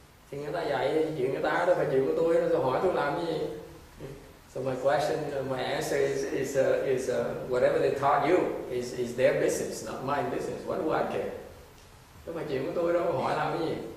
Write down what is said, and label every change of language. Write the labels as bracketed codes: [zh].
[vi] Thì người ta dạy chuyện người ta đó, phải chuyện của tôi, nó hỏi tôi làm cái gì. [en] So my question, my answer is whatever they taught you is their business, not my business. What do I care? [vi] Nhưng mà chuyện của tôi đâu, hỏi làm cái gì?